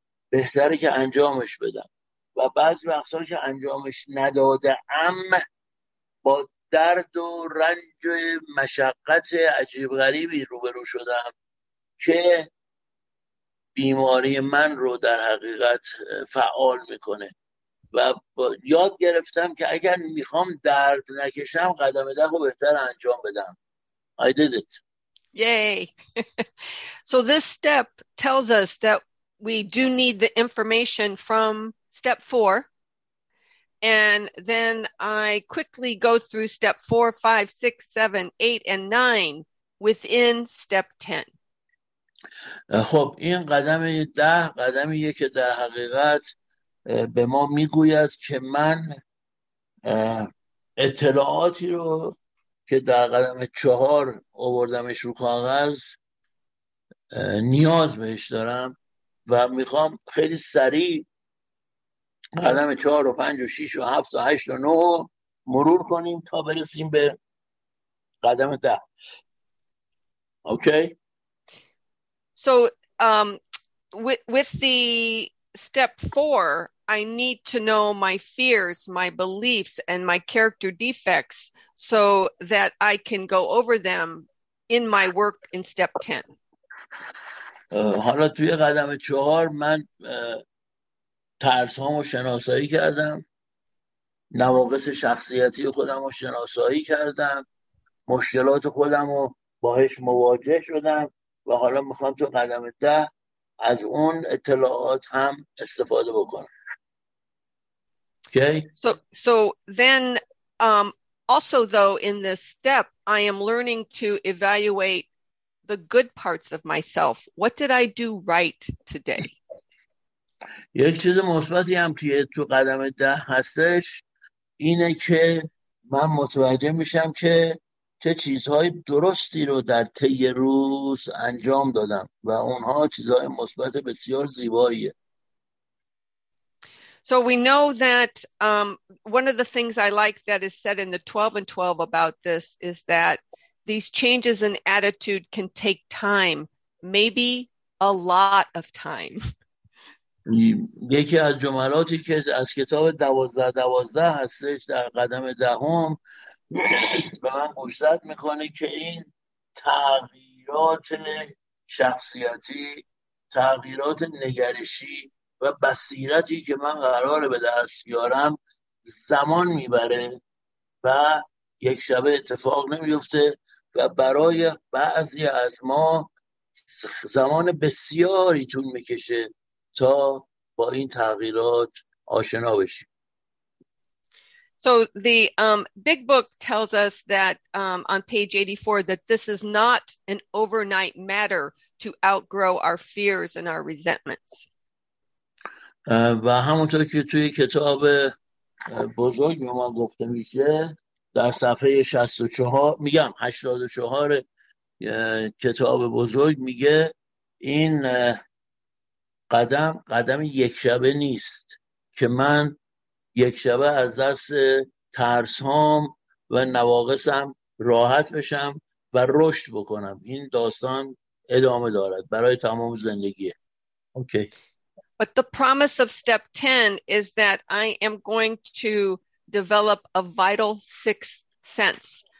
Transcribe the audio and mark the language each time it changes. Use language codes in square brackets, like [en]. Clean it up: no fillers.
[fa] بهتره که انجامش بدم، و بعضی وقتا که انجامش نداده ام با درد و رنج و مشقت عجیب غریبی روبرو شدم که بیماری من رو در حقیقت فعال میکنه، و یاد گرفتم که اگر میخوام درد نکشم قدم ده رو بهتر انجام بدم. [en] I did it. Yay. So this step tells us that we do need the information from step four. And then I quickly go through step 4, 5, 6, 7, 8, and 9 within step 10. [fa] خب این قدم ده قدمیه که در حقیقت به ما میگوید که من اطلاعاتی رو که در قدم چهار آوردمش رو کاغذ نیاز بهش دارم و میخوام خیلی سریع قدم 4 و 5 و 6 و 7 و 8 و 9 مرور کنیم تا برسیم به قدم 10. اوکی. [en] So with the step 4, I need to know my fears, my beliefs and my character defects so that I can go over them in my work in step 10. [fa] حالا توی قدم 4 من ترس هامو شناسایی کردم، نواقص شخصیتی خودم رو شناسایی کردم، مشکلات خودم رو باهش مواجه شدم و حالا میخوام تو قدم 10 از اون اطلاعات هم استفاده بکنم. [en] Okay. So then also though in this step I am learning to evaluate the good parts of myself. What did I do right today? [fa] یک چیز مثبتی هم که تو قدم ده هستش اینه که من متوجه میشم که چه چیزهای درستی رو در طی روز انجام دادم و اونها چیزهای مثبت بسیار زیباییه. [en] So we know that one of the things I like that is said in the 12 and 12 about this is that these changes in attitude can take time, maybe a lot of time. [fa] یکی از جملاتی که از کتاب 12-12 هستش در قدم دهم به من گوشزد میکنه که این تغییرات شخصیتی، تغییرات نگرشی و بصیرتی که من قراره به دست بیارم زمان میبره و یک شبه اتفاق نمیفته و برای بعضی از ما زمان بسیاری طول میکشه تا با این تغییرات آشنا بشیم. [en] So the big book tells us that on page 84 that this is not an overnight matter to outgrow our fears and our resentments. [fa] و همونطور که توی کتاب بزرگ به ما گفته میشه در صفحه 64 میگم 84 کتاب بزرگ میگه این قدم یک شبه نیست که من یک شبه از دست ترس هام و نواقصم راحت بشم و رشد بکنم. این داستان ادامه دارد برای تمام زندگی. اوکی. [en] But the promise of step 10 is that I am going to develop a vital sixth sense.